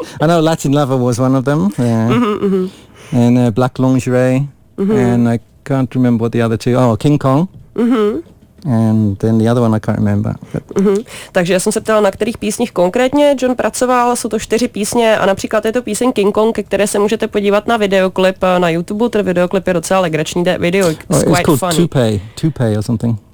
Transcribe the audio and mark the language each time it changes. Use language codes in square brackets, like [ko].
[en] I know Latin Lover was one of them. Yeah. Mm-hmm. And Black Lingerie. Mm-hmm. And I can't remember what the other two. Oh, King Kong. Mm-hmm. And then the other one I can't remember. Mm-hmm. [cs] Takže já jsem se ptala, na kterých písních konkrétně John pracoval, jsou to 4 písně a například je to píseň King Kong, které se můžete podívat na videoklip na YouTube, ten videoklip je docela legrační, video [en] is quite funny. It's called Toupee or something.